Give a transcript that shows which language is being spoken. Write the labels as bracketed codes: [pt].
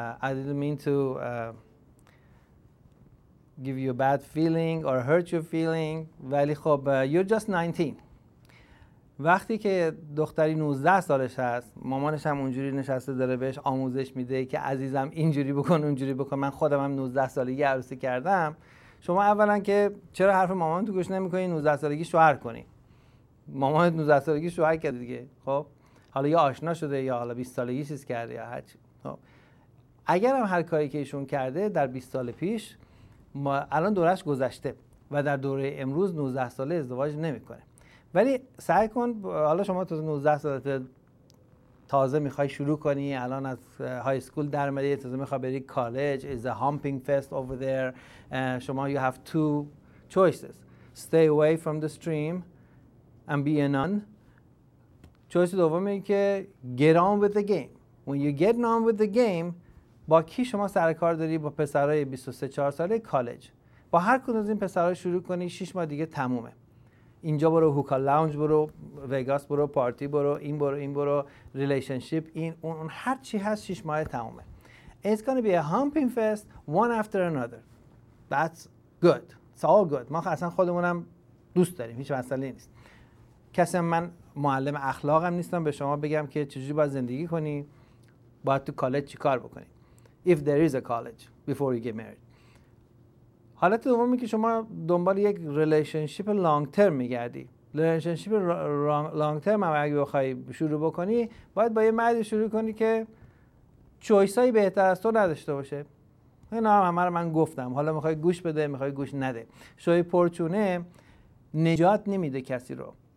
[en] I didn't mean to give you a bad feeling or hurt your feeling. [fa] ولی خب [en] you're just 19. [fa] وقتی که دختری 19 سالش هست، مامانش هم اونجوری نشسته داره بهش آموزش میده که عزیزم اینجوری بکن اونجوری بکن. من خودم هم 19 سالگی عروسی کردم. شما اولا که چرا حرف مامان تو گوش نمی کنی 19 سالگی شوهر کنی؟ مامانت 19 سالگی شوهر کرده دیگه. خب حالا یا آشنا شده یا حالا 20 سالگی چیز کرده یا هر چی. خب اگر هم هر کاری که ایشون کرده در 20 سال پیش، ما الان دورش گذشته و در دوره امروز 19 ساله ازدواج نمیکنه. ولی سعی کن، حالا شما تو 19 سالت تازه میخوای شروع کنی، الان از های اسکول در اومدی، تازه میخوای بری کالج، [en] is a humping fest over there. شما you have two choices: stay away from the stream and be a nun. [fa] چویس دومه این که [en] get on with the game. When you get on with the game، [fa] با کی شما سرکار داری؟ با پسرهای 23-24 ساله کالج. با هر کدوم از این پسرها شروع کنی، 6 ماه دیگه تمومه. اینجا برو هوکا لاونج، برو وگاس، برو پارتی، برو این، برو این، برو ریلیشنشیپ، این اون، هر چی هست 6 ماه تمومه. [en] It's gonna be a humping fest one after another. That's good. It's all good. [fa] ما اصلا خودمونم دوست داریم، هیچ مسئله نیست. کسی من معلم اخلاقم نیستم به شما بگم که چجوری باید زندگی کنی، باید تو کالج چی کار بکنی. [en] If there is a college before you get married. [fa] حالت دومی که شما دنبال یک ریلیشنشیپ لانگ ترم میگردی. ریلیشنشیپ لانگ ترم هم اگه بخوای شروع بکنی، باید با یه مردی شروع کنی که چویسایی بهتر از تو نداشته باشه. این هم همه رو من گفتم. حالا میخوای گوش بده، میخوای گوش نده. شوی پرچونه نجات نمیده کسی رو.